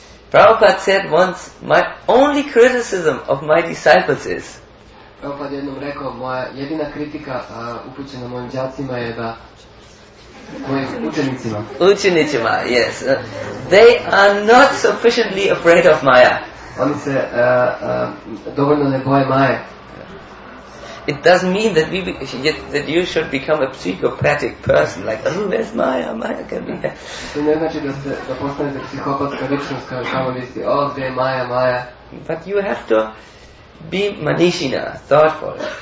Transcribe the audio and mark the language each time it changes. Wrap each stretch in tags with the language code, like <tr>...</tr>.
<en>Prabhupada said once, my only criticism of my disciples is.</en> <sr>Prabhupada jednom rekao, moja jedina kritika upućena mojim đacima je da mojim učenicima.</sr> <en>Yes. They are not sufficiently afraid of Maya.</en> <sr>Oni se dovoljno ne boje Maje.</sr> <en>It doesn't mean that that you should become a psychopathic person, like, oh, where's Maya? Maya can be here.</en> <sr>To ne znači da se da postanete psihopatska ličnost, kao samo misli, oh, gdje je Maya, Maya.</sr> <en>But you have to be manishina, thoughtful.</en>